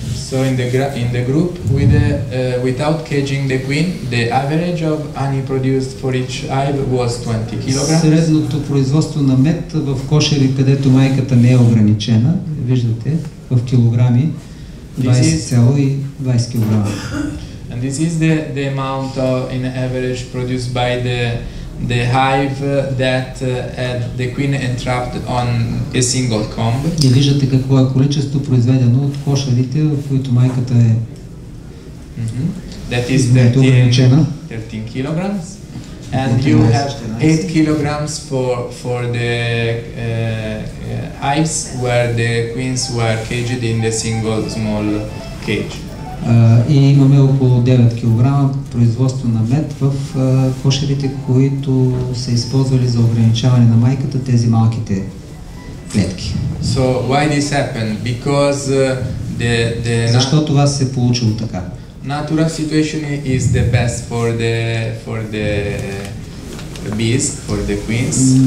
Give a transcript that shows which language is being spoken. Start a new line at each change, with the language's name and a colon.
English: So in the group with without caging the queen, the average of honey produced for each hive was 20 kg.
Bulgarian: Средното производство на мед в кошери, където майката не е ограничена, виждате в килограми 20,20 кг.
English: And this is the amount of, in average produced by the hive that had the queen entrapped on a single comb.
Bulgarian: И виждате какво е количество произведено от кошерите, в които майката е
English: That is 13 kilograms. And you have 8 kilograms for the hives where the queens were caged in the single small cage.
Bulgarian: И имаме около 9 кг производство на мед в кошерите, които са използвали за ограничаване на майката тези малките клетки.
English: So why this happened? Because the
Bulgarian: Защо това се получило така?
English: Natural situation is the best for the bees, for the queens.